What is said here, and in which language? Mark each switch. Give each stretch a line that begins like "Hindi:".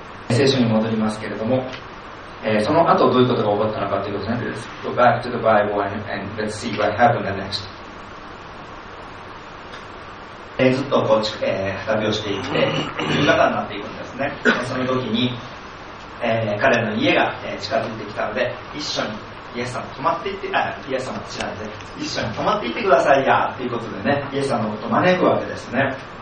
Japanese: 聖書に戻りますけれども、その後どういうことが起こったのかということですね。
English: Let's go back to the Bible and let's see what happened next.
Japanese: ずっとこう、旅をしていて、夕方になっていくんですね。その時に、彼の家が、近づいてきたので一緒にイエス様泊まっていってあイエス様違うので一緒に泊まっていってくださいやということでねイエス様のことを招くわけですね。